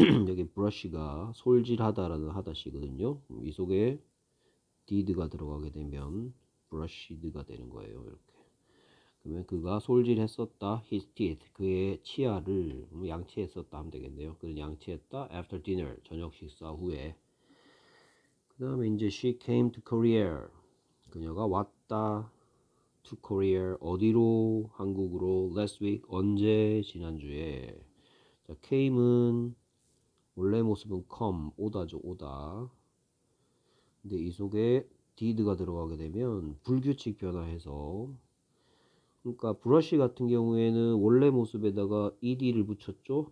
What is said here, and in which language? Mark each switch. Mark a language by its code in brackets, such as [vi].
[ko] 여기 brush가 솔질하다라는 하다시거든요. 이 속에 did가 들어가게 되면 brushed가 되는 거예요. 이렇게. 그러면 그가 솔질했었다, [en] his teeth, [ko] 그의 치아를 양치했었다 하면 되겠네요. 그는 양치했다, after dinner, 저녁 식사 후에. 그 다음에 이제 [en] she came to Korea. [ko] 그녀가 왔다, to Korea, 어디로? 한국으로, last week, 언제? 지난주에. 자, came은 원래 모습은 come, 오다죠, 오다. 근데 이 속에 did가 들어가게 되면 불규칙 변화해서 그러니까 브러쉬 같은 경우에는 원래 모습에다가 ED를 붙였죠?